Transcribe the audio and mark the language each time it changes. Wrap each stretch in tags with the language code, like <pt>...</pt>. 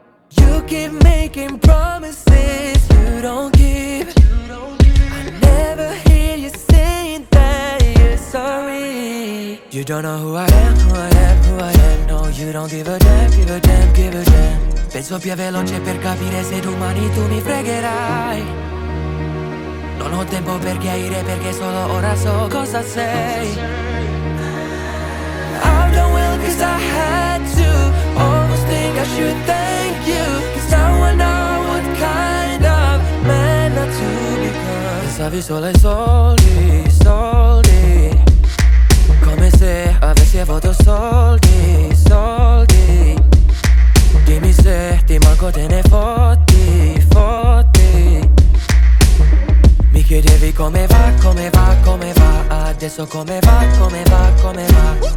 <en>You keep making promises you don't keep. I never hear you saying that you're sorry. You don't know who I am, who I am, who I am. No, you don't give a damn, give a damn, give a damn.</en> <it>Penso più veloce per capire se domani tu mi fregherai. Non ho tempo per chiarire perché solo ora so cosa sei.</it> <en>I'm done well 'cause I had to. Almost think I should thank you, 'cause now I know what kind of man not to become.</en> <it>Pensavi solo ai soldi, soldi. Come se avessi avuto soldi, soldi. Dimmi se ti manco, te ne fotti, fotti. Mi chiedevi come va, come va, come va. Adesso come va, come va, come va.</it>